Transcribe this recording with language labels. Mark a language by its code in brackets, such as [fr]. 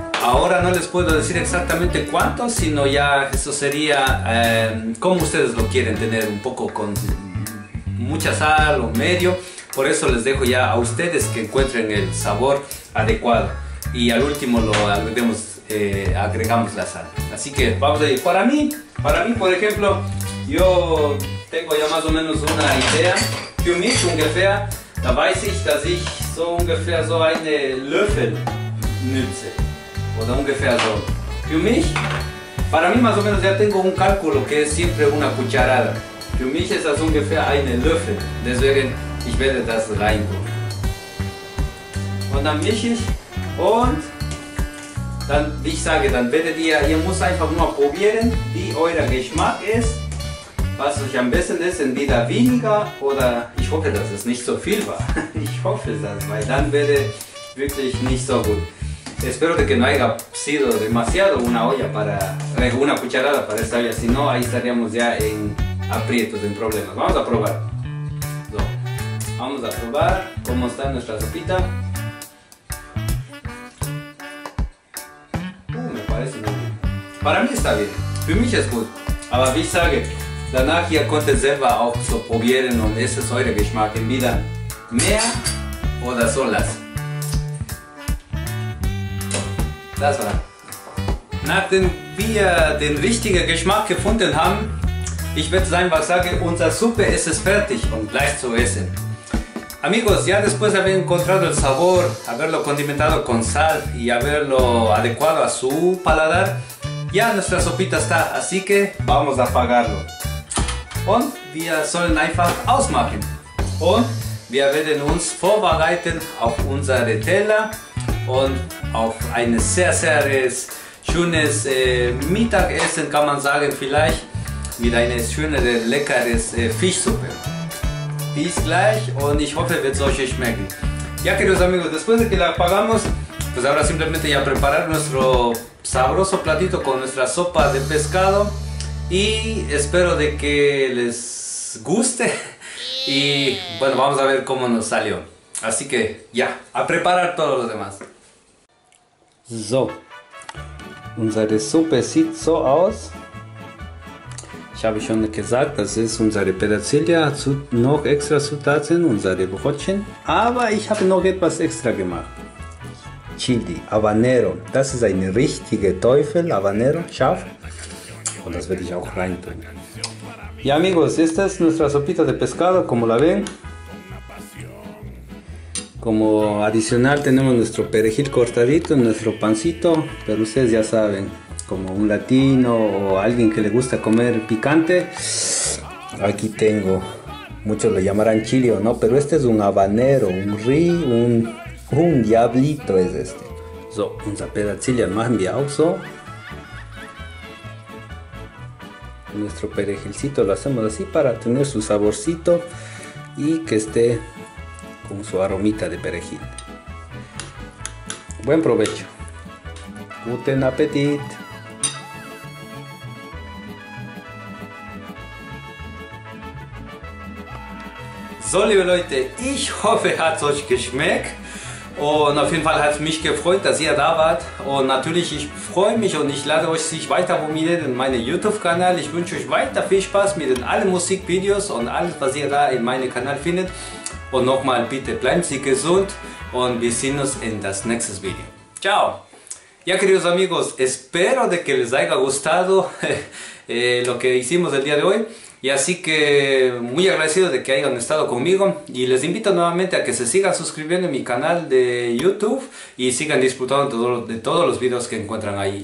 [es] Ahora no les puedo decir exactamente cuánto, sino ya eso sería como ustedes lo quieren tener, un poco con mucha sal o medio. Por eso les dejo ya a ustedes que encuentren el sabor adecuado. Y al último lo agregamos, agregamos la sal. Así que vamos a ir. Para mí, por ejemplo, yo tengo ya más o menos una idea. [de] Für mich ungefähr, da weiß ich, dass ich so ungefähr so eine Löffel nütze. Oder ungefähr so. Für mich, [es] para mí más o menos ya tengo un cálculo que es siempre una cucharada. [de] Für mich ist das ungefähr eine Löffel. Deswegen, ich werde das reintun. Und dann mische ich. Und dann, ich sage, dann werdet ihr müsst einfach nur probieren, wie euer Geschmack ist. Was euch am besten ist, entweder weniger oder ich hoffe, dass es nicht so viel war. Ich hoffe das, weil dann wäre wirklich nicht so gut. [es] Espero de que no haya sido demasiado una olla para, una cucharada para esta olla, si no, ahí estaríamos ya en aprietos, en problemas. Vamos a probar. [de] So. [es] Vamos a probar cómo está nuestra sopita. Me parece muy bien. Para mí está bien. [de] Für mich ist gut. Aber wie ich sage, danach hier konnte selber auch so probieren und es ist euer Geschmack. Entweder mehr oder so las. Das war. Nachdem wir den richtigen Geschmack gefunden haben, ich werde einfach sagen, unser Suppe ist es fertig und gleich zu essen. [es] Amigos, ya después de haber encontrado el sabor, haberlo condimentado con sal y haberlo adecuado a su paladar, ya nuestra sopita está, así que vamos a apagarlo. [de] Und wir sollen einfach ausmachen. Und wir werden uns vorbereiten auf unsere Teller und auf ein sehr, sehr schönes Mittagessen, kann man sagen, vielleicht mit einer schönen, leckeren Fischsuppe. Bis gleich und ich hoffe, wird es euch schmecken. [es] Ja, queridos amigos, después de que la apagamos, pues ahora simplemente ya preparar nuestro sabroso platito con nuestra sopa de pescado. Y espero de que les guste y bueno, vamos a ver cómo nos salió. Así que ya, a preparar todo lo demás. [de] So, unsere Suppe sieht so aus. Ich habe schon gesagt, das ist unsere Petersilie, noch extra Zutaten, unsere Brötchen. Aber ich habe noch etwas extra gemacht. Chili, Habanero, das ist ein richtiger Teufel, Habanero, scharf. Und das werde ich auch rein tun. [es] Ja, amigos, esta es nuestra sopita de pescado, como la ven. Como adicional tenemos nuestro perejil cortadito, nuestro pancito, pero ustedes ya saben, como un latino o alguien que le gusta comer picante, aquí tengo, muchos lo llamarán chile o no, pero este es un habanero, un ri, un diablito es este. [de] So, unser Petersilie machen wir auch so. [es] Nuestro perejilcito lo hacemos así para tener su saborcito y que esté con su aromita de perejil. Buen provecho. [de] Guten Appetit. So, liebe Leute, ich hoffe, hat es euch geschmeckt. Und auf jeden Fall hat es mich gefreut, dass ihr da wart. Und natürlich, ich freue mich und ich lade euch sich weiter abonnieren in meinen YouTube-Kanal. Ich wünsche euch weiter viel Spaß mit allen Musikvideos und alles, was ihr da in meinem Kanal findet. Und nochmal, bitte bleiben Sie gesund und wir sehen uns in das nächste Video. [it] Ciao! [es] Ja, queridos amigos, espero de que les haya gustado lo que hicimos el día de hoy. Y así que muy agradecido de que hayan estado conmigo y les invito nuevamente a que se sigan suscribiendo a mi canal de YouTube y sigan disfrutando de todos los videos que encuentran ahí.